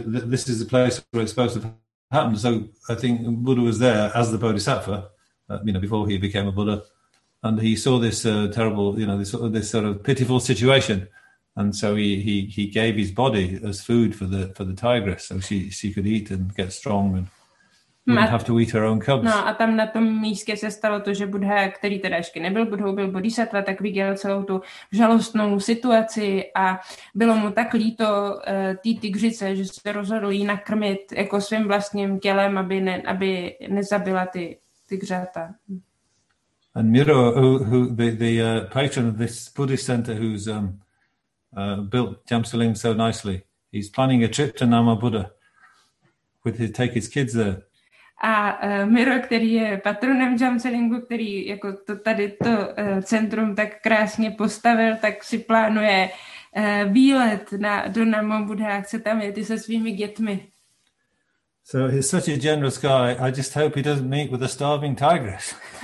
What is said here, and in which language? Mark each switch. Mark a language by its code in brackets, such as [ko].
[en] this is the place where it's supposed to happen. So I think Buddha was there as the Bodhisattva, you know, before he became a Buddha, and he saw this terrible, you know, this sort of pitiful situation, and so he gave his body as food for the tigress, so she could eat and get strong and wouldn't have to eat her own cubs. [cs] No, a tam na tom místě se stalo to, že Buddha, který teda ještě nebyl Buddhou, byl bodhisattva, tak viděl celou tu žalostnou situaci a bylo mu tak líto té tygřice, že se rozhodl jí nakrmit jako svým vlastním tělem, aby nezabila ty tygřata. [en] And Miro, who the patron of this Buddhist center, who's built Jamsaling so nicely, he's planning a trip to Namo Buddha take his kids there. [cs] A Miro, který je patronem Jamsalingu, který jako to tady to centrum tak krásně postavil, tak si plánuje výlet do Namo Buddha, chce tam jet i se svými dětmi. [en] So he's such a generous guy. I just hope he doesn't meet with a starving tigress.